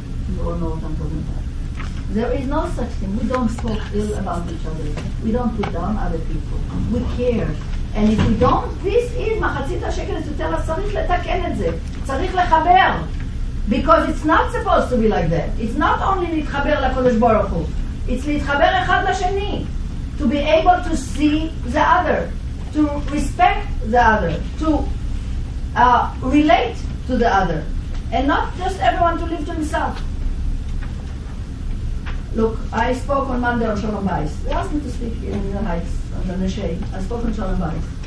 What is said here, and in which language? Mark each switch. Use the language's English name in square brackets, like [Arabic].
[English] You all know what I'm talking about. There is no such thing. We don't talk ill about each other. We don't put down other people. We care. And if we don't, this is machatzit ha-shekel to tell us, [Hebrew] צריך לתקן את זה, צריך לחבר. [English] Because it's not supposed to be like that. It's not only [Hebrew] להתחבר לקודש ברוך הוא. [English] It's [Hebrew] להתחבר אחד לשני. [English] To be able to see the other. To respect the other. To relate to the other. And not just everyone to live to himself. Look, I spoke on Monday on Shalom Bayis. They asked me to speak in the Heights, on the Neshe. I spoke on Shalom Bayis.